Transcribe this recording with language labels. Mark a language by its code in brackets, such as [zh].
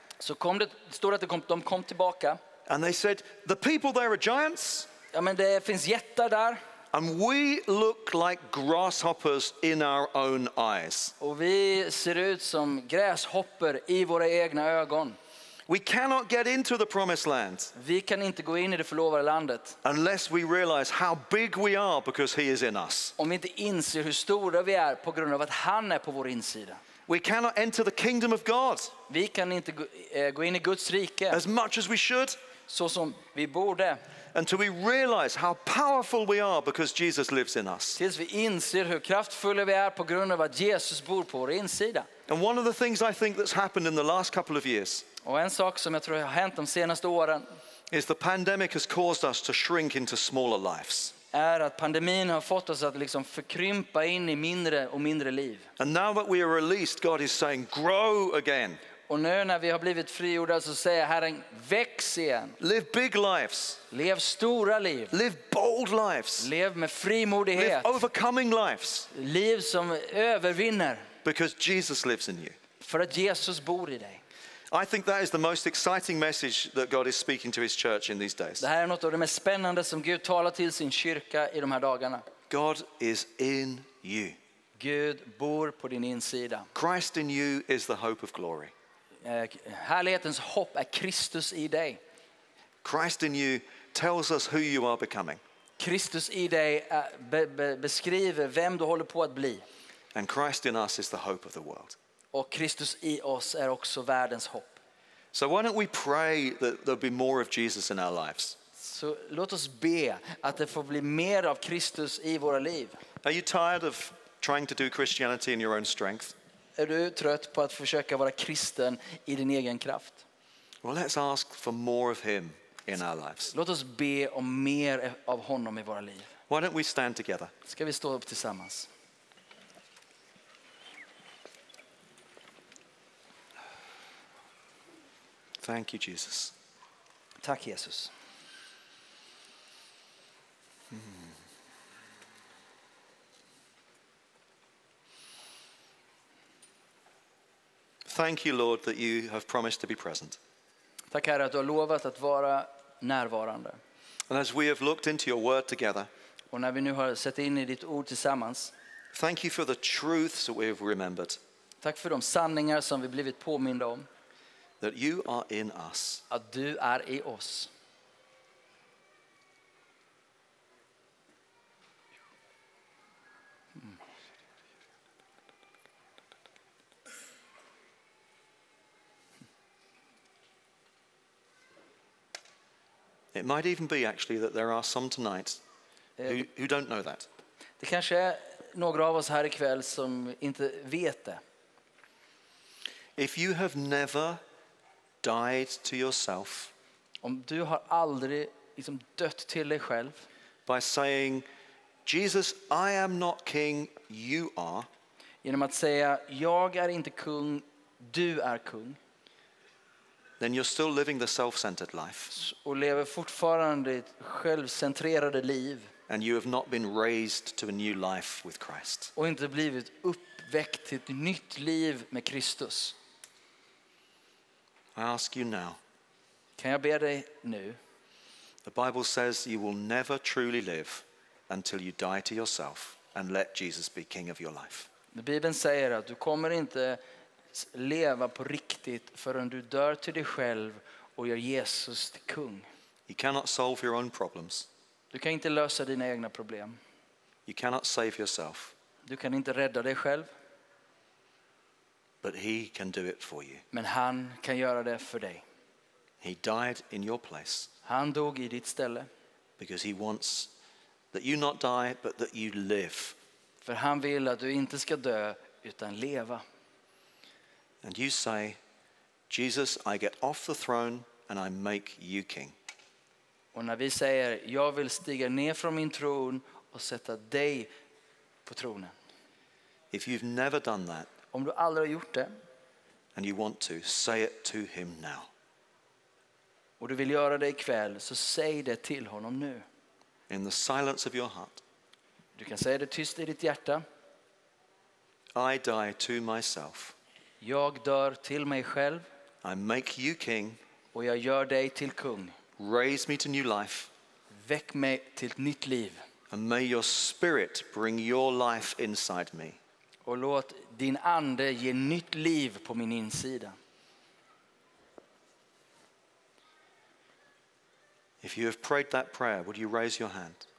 [sv] Så kom det står att de kom tillbaka. [en] And they said the people there are giants. [sv] Ja men det finns jättar där. [en] And we look like grasshoppers in our own eyes. [sv] Och vi ser ut som gräshoppor I våra egna ögon. [en] We cannot get into the promised land. [sv] Vi kan inte gå in I det förlovade landet. [en] Unless we realize how big we are because he is in us. [sv] Om vi inte inser hur stora vi är på grund av att han är på vår insida. [en] We cannot enter the kingdom of God. [sv] Vi kan inte gå in I Guds rike. [en] As much as we should. [sv] Så som vi borde. [en] Until we realize how powerful we are because Jesus lives in us. [sv] Tills vi inser hur kraftfulla vi är på grund av att Jesus bor på vår insida. [en] And one of the things I think that's happened in the last couple of years. [sv] Och en sak som jag tror har hänt de senaste åren. [en] Is the pandemic has caused us to shrink into smaller lives. [sv] Är att pandemin har fått oss att liksom förkrympa in I mindre och mindre liv. [en] And now that we are released, God is saying, grow again. [sv] Och nu när vi har blivit frigjorda så säger Herren, väx igen. [en] Live big lives. [sv] Lev stora liv. [en] Live bold lives. [sv] Lev med frimodighet. [en] Live overcoming lives. [sv] Liv som övervinner. [en] Because Jesus lives in you. [sv] För att Jesus bor I dig. [en] I think that is the most exciting message that God is speaking to his church in these days. [sv] Det här är något av det mest spännande som Gud talar till sin kyrka I de här dagarna. [en] God is in you. [sv] Gud bor på din insida. [en] Christ in you is the hope of glory. [sv] Härlighetens hopp är Kristus I dig. [en] Christ in you tells us who you are becoming. [sv] Kristus I dig beskriver vem du håller på att bli. [en] And Christ in us is the hope of the world. [sv] Och Kristus I oss är också världens hopp. [en] So why don't we pray that there'll be more of Jesus in our lives? [sv] Så Så låt oss be att det får bli mer av Kristus I våra liv. [en] Are you tired of trying to do Christianity in your own strength? [sv] Är du trött på att försöka vara kristen I din egen kraft? [en] Well, let's ask for more of him in our lives. [sv] Låt oss be om mer av honom I våra liv. [en] Why don't we stand together? [sv] Ska vi stå upp tillsammans? [en] Thank you, Jesus. [sv] Tack, Jesus. [en] Thank you, Lord, that you have promised to be present. [sv] Tack Herre att du har lovat att vara närvarande. [en] And as we have looked into your word together, [sv] och när vi nu har sett in I ditt ord tillsammans, [en] thank you for the truths that we have remembered. [sv] Tack för de sanningar som vi blivit påminna om. [en] That you are in us. [sv] Att du är I oss. [en] It might even be actually that there are some tonight who don't know that. [sv] Det kanske är några av oss här ikväll som inte vet det. [en] If you have never died to yourself, [sv] om du har aldrig liksom dött till dig själv, [en] by saying, Jesus, I am not king, you are, [sv] genom att säga jag är inte kung, du är kung, [en] then you're still living the self-centered life. [sv] Och lever fortfarande ett självcentrerade liv. [en] And you have not been raised to a new life with Christ. [sv] Och inte blivit uppväckt till ett nytt liv med Kristus. [en] I ask you now. [sv] Kan jag be dig nu? [en] The Bible says you will never truly live until you die to yourself and let Jesus be king of your life. [sv] Bibeln säger att du kommer inte leva på riktigt förrän du dör till dig själv och gör Jesus till kung. [en] You cannot solve your own problems. [sv] Du kan inte lösa dina egna problem. [en] You cannot save yourself. [sv] Du kan inte rädda dig själv. [en] But he can do it for you. [sv] Men han kan göra det för dig. [en] He died in your place. [sv] Han dog I ditt ställe. [en] Because he wants that you not die but that you live. [sv] För han vill att du inte ska dö utan leva. [en] And you say, Jesus, I get off the throne and I make you king. [sv] Och när vi säger, jag vill stiga ner från min tron och sätta dig på tronen. [en] If you've never done that, [sv] om du aldrig har gjort det, [en] and you want to, say it to him now. [sv] Och du vill göra det ikväll, så säg det till honom nu. [en] In the silence of your heart. [sv] Du kan säga det tyst I ditt hjärta. [en] I die to myself. [sv] Jag dör till mig själv. [en] I make you king. [sv] Och jag gör dig till kung. [en] Raise me to new life. [sv] Väck mig till ett nytt liv. [en] And may your spirit bring your life inside me. [sv] Och låt din ande ge nytt liv på min insida. [en] If you have prayed that prayer, would you raise your hand?